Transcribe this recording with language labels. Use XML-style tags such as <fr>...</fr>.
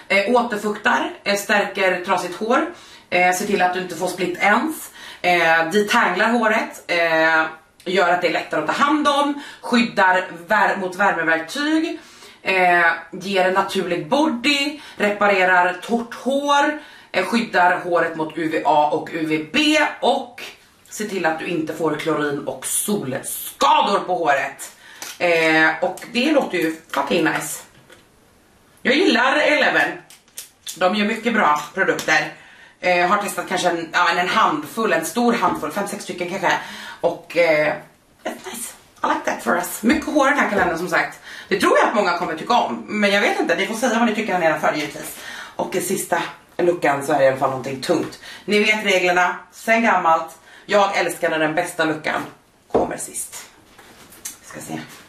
<sv>Återfuktar, stärker trasigt hår, ser till att du inte får split ends, detanglar håret, gör att det är lättare att ta hand om, skyddar mot värmeverktyg, ger en naturlig body, reparerar torrt hår, skyddar håret mot UVA och UVB och ser till att du inte får klorin och solskador på håret. Och det låter ju fucking nice. Jag gillar Eleven. De gör mycket bra produkter. Har testat kanske en stor handfull, 5-6 stycken kanske.</sv> <en>Och it's nice. I like that for us.</en> <sv>Mycket hår i den här kalendern som sagt. Det tror jag att många kommer tycka om, men jag vet inte. Ni får säga vad ni tycker här nedanför givetvis. Och i sista luckan så är det i alla fall någonting tungt. Ni vet reglerna, sen gammalt. Jag älskar när den bästa luckan kommer sist. Vi ska se.</sv>